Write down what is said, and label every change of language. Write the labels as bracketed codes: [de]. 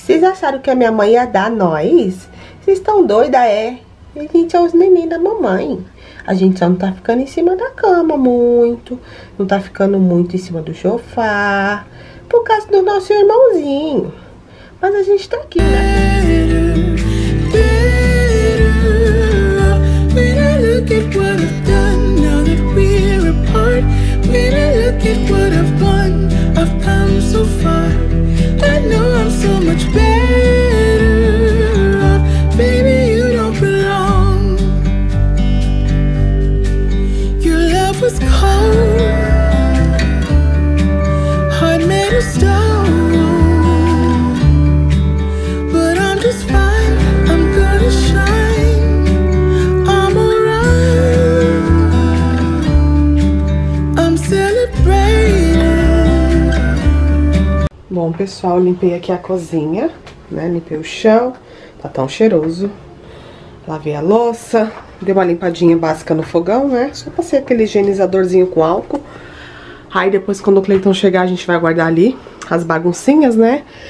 [pt] Vocês acharam que a minha mãe ia dar nós? Vocês estão doida, é? A gente é os neném da mamãe. A gente só não tá ficando em cima da cama muito. Não tá ficando muito em cima do sofá. Por causa do nosso irmãozinho. Mas a gente tá aqui, né? [en] Better, better, when I look at what I've done now. was cold, heart made of stone. But I'm just fine, I'm gonna shine, I'm alright, I'm celebrating. [pt] Bom, pessoal, limpei aqui a cozinha, né? Limpei o chão, tá tão cheiroso. Lavei a louça, dei uma limpadinha básica no fogão, né? Só passei aquele higienizadorzinho com álcool. Aí depois, quando o Cleiton chegar, a gente vai guardar ali as baguncinhas, né?